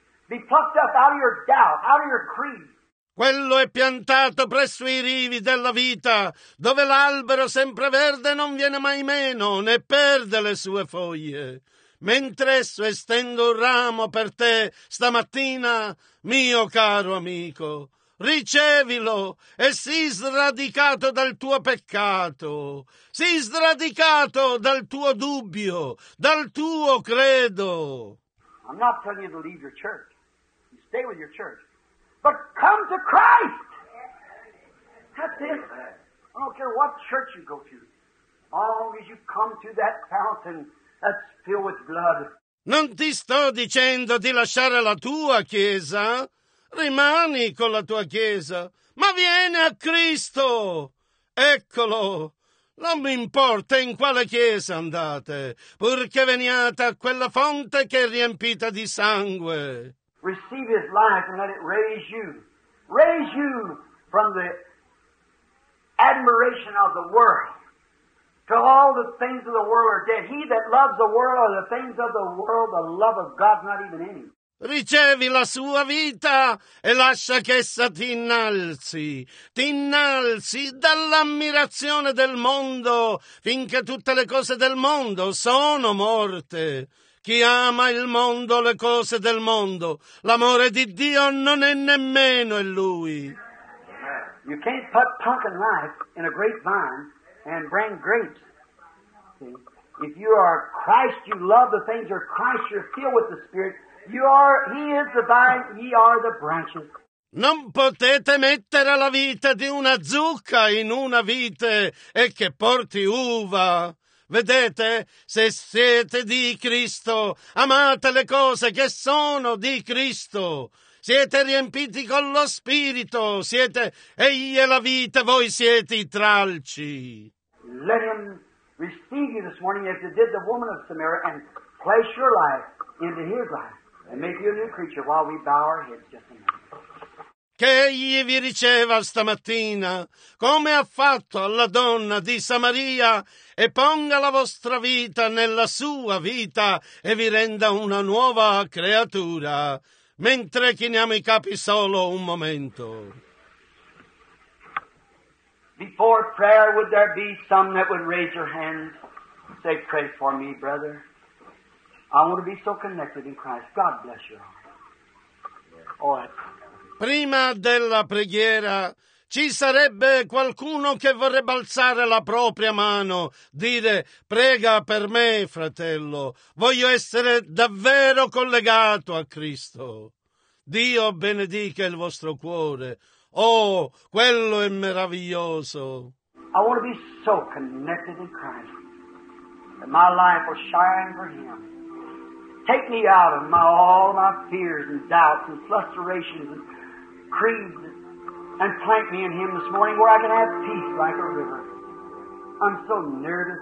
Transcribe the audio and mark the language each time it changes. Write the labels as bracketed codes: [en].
[en] Be plucked up out of your doubt, out of your creed. [it] Quello è piantato presso i rivi della vita, dove l'albero sempreverde non viene mai meno, né perde le sue foglie. Mentre esso estendo un ramo per te stamattina, mio caro amico, ricevilo e sii sradicato dal tuo peccato, sii sradicato dal tuo dubbio, dal tuo credo. [en] I'm not telling you to leave your church. You stay with your church. But come to Christ. That's it. I don't care what church you go to. long as you come to that fountain that's filled with blood. [it] Non ti sto dicendo di lasciare la tua chiesa. Rimani con la tua chiesa, ma vieni a Cristo. Eccolo. Non mi importa in quale chiesa andate, purché veniate a quella fonte che è riempita di sangue. [en] Receive his life and let it raise you. Raise you from the admiration of the world to all the things of the world are dead. He that loves the world or the things of the world, the love of God is not even in him. [it] Ricevi la sua vita e lascia che essa ti innalzi dall'ammirazione del mondo, finché tutte le cose del mondo sono morte. Chi ama il mondo, le cose del mondo, l'amore di Dio non è nemmeno in lui. [en] You can't put pumpkin life in a grapevine and bring grapes. See? If you are Christ, you love the things of Christ, you're filled with the Spirit. He is the vine, ye are the branches. [it] Non potete mettere la vita di una zucca in una vite e che porti uva. Vedete, se siete di Cristo, amate le cose che sono di Cristo. Siete riempiti con lo Spirito, siete egli è la vita, voi siete i tralci. [en] Let him receive you this morning as it did the woman of Samaria and place your life into his life. And make you a new creature while we bow our heads just a minute. [it] Che egli vi riceva stamattina, come ha fatto alla donna di Samaria, e ponga la vostra vita nella sua vita e vi renda una nuova creatura. Mentre chiniamo i capi solo un momento. [en] Before prayer, would there be some that would raise your hand? Say, pray for me, brother. I want to be so connected in Christ. God bless your heart. Right. [it] Prima della preghiera, ci sarebbe qualcuno che vorrebbe alzare la propria mano, dire, prega per me, fratello. Voglio essere davvero collegato a Cristo. Dio benedica il vostro cuore. Oh, quello è meraviglioso. [en] I want to be so connected in Christ that my life will shine for Him. Take me out of all my fears and doubts and frustrations and creeds and plant me in Him this morning where I can have peace like a river. I'm so nervous.